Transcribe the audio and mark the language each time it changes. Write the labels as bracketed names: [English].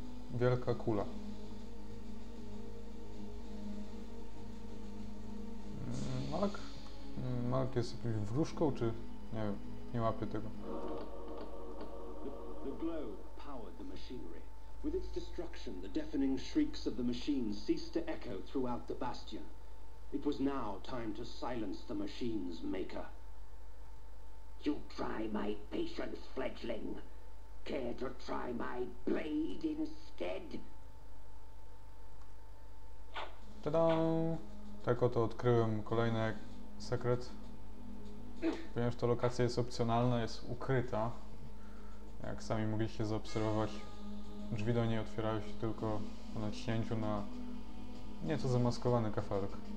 [Polish] Wielka kula. Malak? Malak jest jakąś wróżką, czy... Nie wiem, nie łapię tego. [English] The globe powered the machinery. With its destruction, the deafening shrieks of the machine ceased to echo throughout the bastion. It was now time to silence the machine's maker. You try my patience, fledgling. Care to try my blade instead? Ta-da! [Polish] Tak oto odkryłem kolejny sekret. Ponieważ ta lokacja jest opcjonalna, jest ukryta. Jak sami mogliście zaobserwować, drzwi do niej otwierają się tylko na księciu na nieco zamaskowany kafelek.